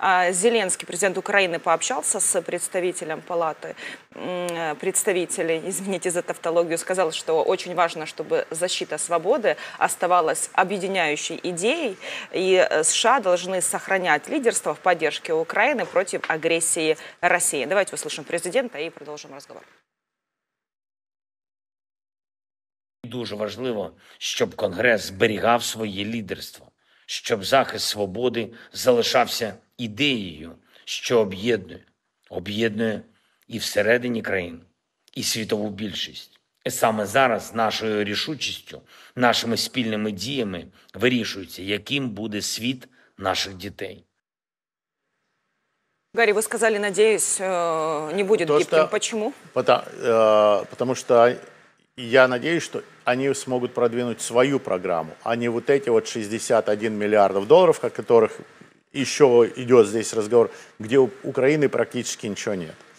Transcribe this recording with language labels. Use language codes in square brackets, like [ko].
[ru] Зеленский, президент Украины, пообщался с представителем палаты представителей, извините за тавтологию, сказал, что очень важно, чтобы защита свободы оставалась объединяющей идеей, и США должны сохранять лидерство в поддержке Украины против агрессии России. Давайте услышим президента и продолжим разговор. [uk] Дуже важливо, щоб Конгрес зберігав своє лідерство, щоб захист свободи залишався ідеєю, що об'єднує. Об'єднує і всередині країн, і світову більшість. І саме зараз нашою рішучістю, нашими спільними діями вирішується, яким буде світ наших дітей. [ru] Гарри, вы сказали, надеюсь, не буде гибким. Почему? Потому что я надеюсь, что они смогут продвинуть свою программу, а не вот эти вот 61 миллиардов долларов, о которых еще идет здесь разговор, где у Украины практически ничего нет.